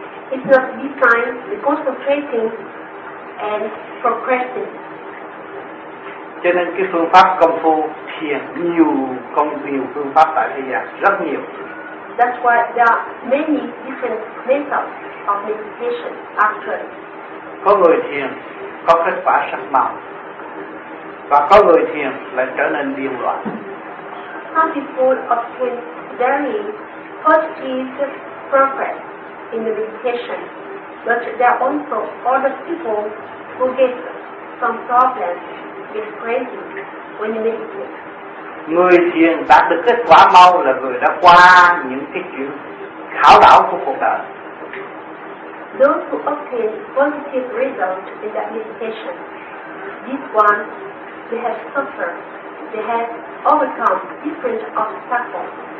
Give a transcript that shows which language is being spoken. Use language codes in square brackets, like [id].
[en] It's not behind the concentrating and progressing. [vi] Cho nên cái phương pháp công phu thiền nhiều, công nhiều phương pháp tại thế gian rất nhiều. [en] That's why there are many different methods of meditation after. [vi] Có người thiền có kết quả sắc màu, và có người thiền lại trở nên điên loạn. [en] Some people obtain very positive progress in the meditation, but there are also other people who get some problems with crazy when you meditate. [vi] Người thiền đạt được kết quả mau là người đã qua những cái chuyện khảo đảo của cuộc đời. [en] Those who obtain positive results in that meditation, this one, they have suffered, they have overcome different obstacles.